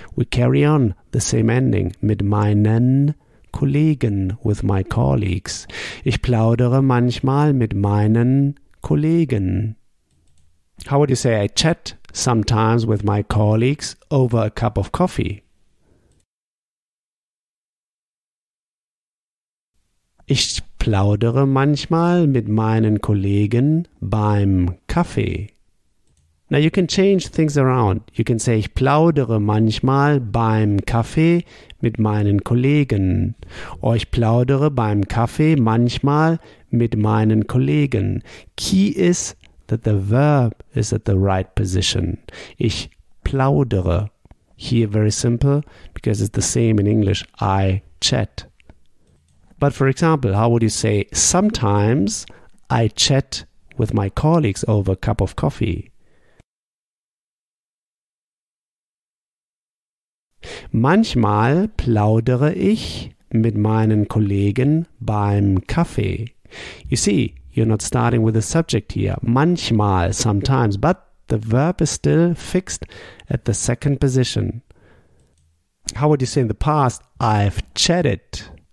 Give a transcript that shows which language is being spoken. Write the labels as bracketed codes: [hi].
[en] We carry on the same ending. [de] Mit meinen Kollegen, [en] with my colleagues. [de] Ich plaudere manchmal mit meinen Kollegen. [en] How would you say I chat sometimes with my colleagues over a cup of coffee? [de] Ich plaudere manchmal mit meinen Kollegen beim Kaffee. [en] Now you can change things around. You can say, [de] ich plaudere manchmal beim Kaffee mit meinen Kollegen. Or ich plaudere beim Kaffee manchmal mit meinen Kollegen. [en] Key is that the verb is at the right position. [de] Ich plaudere. [en] Here very simple, because it's the same in English. I chat. But for example, how would you say, sometimes I chat with my colleagues over a cup of coffee? [de] Manchmal plaudere ich mit meinen Kollegen beim Kaffee. [en] You see, you're not starting with a subject here. [de] Manchmal, [en] sometimes, but the verb is still fixed at the second position. How would you say in the past, I've chatted?